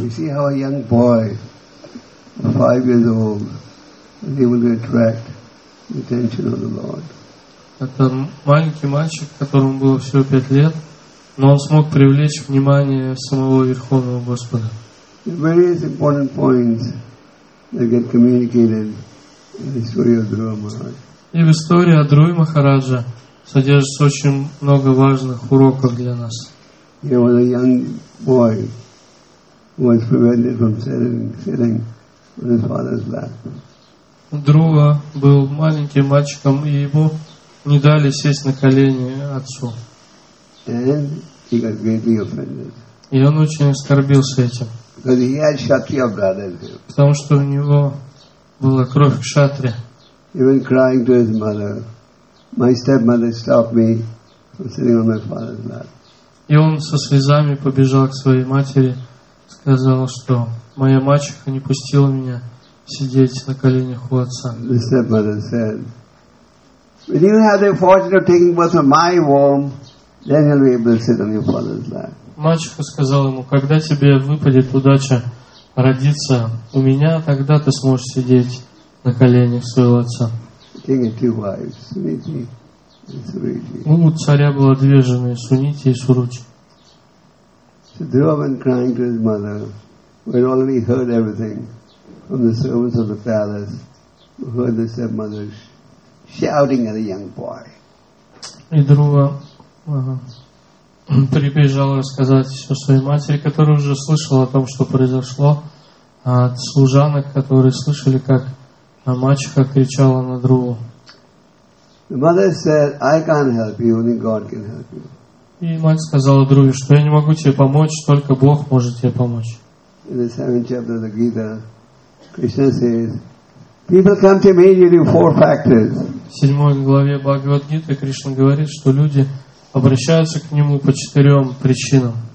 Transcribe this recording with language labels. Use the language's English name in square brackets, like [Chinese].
[English] We see how a young boy, 5 years old, able to attract the attention of the Lord. [Russian] Это маленький мальчик, которому было всего 5 лет, но он смог привлечь внимание самого Верховного Господа. И в истории о Друи Махараджа содержится очень много важных уроков для нас. [English] Young boy was prevented from selling in his father's lap. [Russian] Друга был маленьким мальчиком, и его не дали сесть на колени отцу. [English] And he got greatly offended. [Russian] И он очень оскорбился этим. [English] Because he had kshatriya blood in him. [Russian] Потому что у него была кровь кшатри. [English] He went crying to his mother. My stepmother stopped me from sitting on my father's lap. [Russian] И он со слезами побежал к своей матери, сказал, что моя мачеха не пустила меня сидеть на коленях у отца. [English] The stepmother said, "If you have the fortune of taking birth from my womb, then you'll be able to sit on your father's lap." [Russian] Мачеха сказала ему, когда тебе выпадет удача родиться у меня, тогда ты сможешь сидеть на коленях своего отца. [English] King had two wives, Suniti and Suruchi. [Russian] У царя было две жены, Сунити и Суручи. [English] So Dhruva went crying to his mother, who had already heard everything from the servants of the palace, who heard the stepmother shouting at a young boy. [Russian] И Друва прибежал рассказать все своей матери, которая уже слышала о том, что произошло, от служанок, которые слышали, как мачеха кричала на Друву. [English] The mother said, "I can't help you, only God can help you." [Russian] И мать сказала Друве, что я не могу тебе помочь, только Бог может тебе помочь. [English] In the 7th chapter of the Gita, Krishna says, "People come to me due to four factors." [Russian] В 7 главе Бхагавад-гиты Кришна говорит, что люди обращаются к нему по четырем причинам.